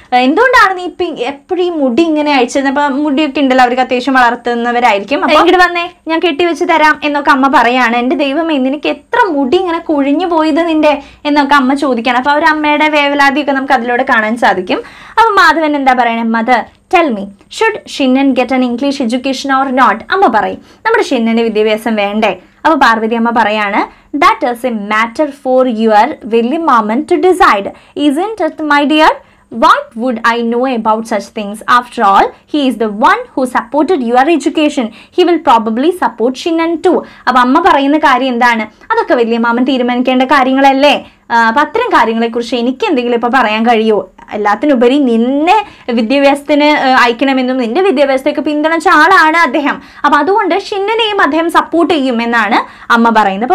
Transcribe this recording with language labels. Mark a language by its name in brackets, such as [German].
[Malayalam] എന്തുകൊണ്ടാണ് നീ ഇപ്പം എപ്പോഴും ഈ മുടി ഇങ്ങനെ അയച്ചത് അപ്പം മുടിയൊക്കെ ഉണ്ടല്ലോ അവർക്ക് അത്യാവശ്യം വളർത്തുന്നവരായിരിക്കും അപ്പോൾ ഇങ്ങോട്ട് വന്നേ ഞാൻ കെട്ടിവെച്ച് തരാം എന്നൊക്കെ അമ്മ പറയുകയാണ് എൻ്റെ ദൈവമേ നിനക്ക് എത്ര മുടി ഇങ്ങനെ കുഴിഞ്ഞു പോയത് നിൻ്റെ എന്നൊക്കെ അമ്മ ചോദിക്കുകയാണ് അപ്പോൾ അവരമ്മയുടെ വേവലാതിയൊക്കെ നമുക്ക് അതിലൂടെ കാണാൻ സാധിക്കും അപ്പോൾ മാധവൻ എന്താ പറയണേ [English] mother tell me should Shinan get an English education or not [Malayalam] അമ്മ പറയും നമ്മുടെ ഷിന്നന് വിദ്യാഭ്യാസം വേണ്ടേ അപ്പോൾ പാർവതി അമ്മ പറയാണ്, [English] That is a matter for your വെല്ലി മാമൻ to decide isn't it my dear. What would I know about such things? After all, he is the one who supported your education. He will probably support Shinan too. [Malayalam] അപ്പോൾ അമ്മ പറയുന്ന കാര്യം എന്താണ്? അതൊക്കെ വലിയ മാമൻ തീരുമാനിക്കേണ്ട കാര്യങ്ങളല്ലേ. അപ്പം അത്തരം കാര്യങ്ങളെക്കുറിച്ച് എനിക്ക് എന്തെങ്കിലും ഇപ്പോൾ പറയാൻ കഴിയുമോ? എല്ലാത്തിനുപരി നിന്നെ വിദ്യാഭ്യാസത്തിന് അയക്കണമെന്നും നിന്റെ വിദ്യാഭ്യാസത്തേക്ക് പിന്തുണച്ച ആളാണ് അദ്ദേഹം. അപ്പം അതുകൊണ്ട് ഷിന്നനെയും അദ്ദേഹം സപ്പോർട്ട് ചെയ്യും എന്നാണ് അമ്മ പറയുന്നത്.